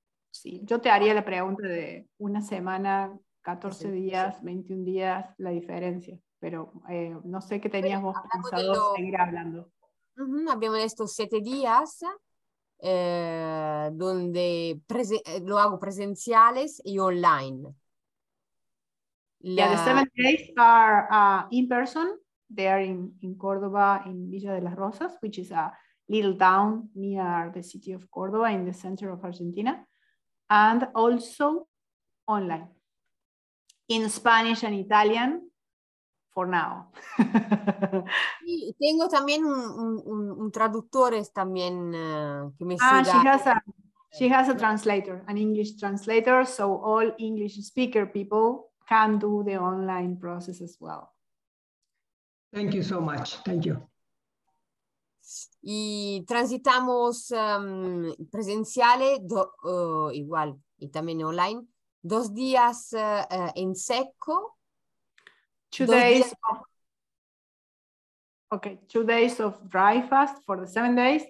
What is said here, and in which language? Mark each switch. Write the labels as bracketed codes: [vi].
[es] Sí, yo te haría la pregunta de una semana, 14 días, 21 días, la diferencia. Pero no sé qué tenías vos pensado seguir hablando. Habíamos estos 7 días donde lo hago presenciales y online. [en] The 7 days are in person. They are in Córdoba, in Villa de las Rosas, which is a little town near the city of Córdoba in the center of Argentina, and also online in Spanish and Italian for now. [es] Y tengo también un traductor también que me sigue. [en] She has a translator, an English translator, so all English speaker people can do the online process as well. Thank you so much. Thank you. [es] Y transitamos presenciale igual y también online 2 días en seco. [en] 2 days. Okay, 2 days of dry fast for the 7 days.